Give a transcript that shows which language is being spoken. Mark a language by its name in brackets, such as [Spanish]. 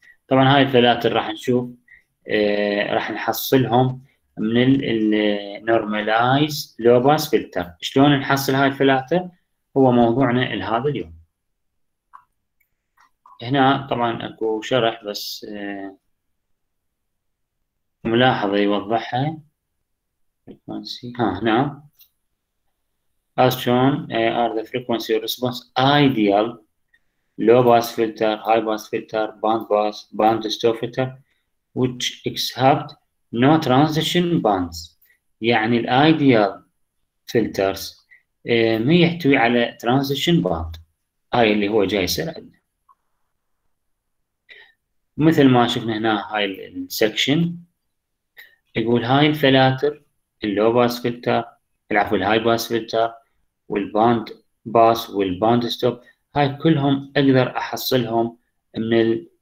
[Arabic] طبعا هاي الفلاتر راح نشوف راح نحصلهم من النورماليز لو باس فلتر. شلون نحصل هاي الفلاتر هو موضوعنا لهذا اليوم. هنا طبعا اكو شرح بس ملاحظة يوضحها. فريكونسي ها هنا [English] as shown are the frequency response ideal low pass filter, high pass filter, band pass, band stop filter which accept no transition bands. [Arabic] يعني الـ ideal filters ما يحتوي على transition band، هاي اللي هو جاي يصير عندنا. مثل ما شفنا هنا هاي السكشن يقول هاي الفلاتر اللو باس فلتر العفو الهاي باس فلتر والباند باس والباند ستوب، هاي كلهم اقدر احصلهم من الـ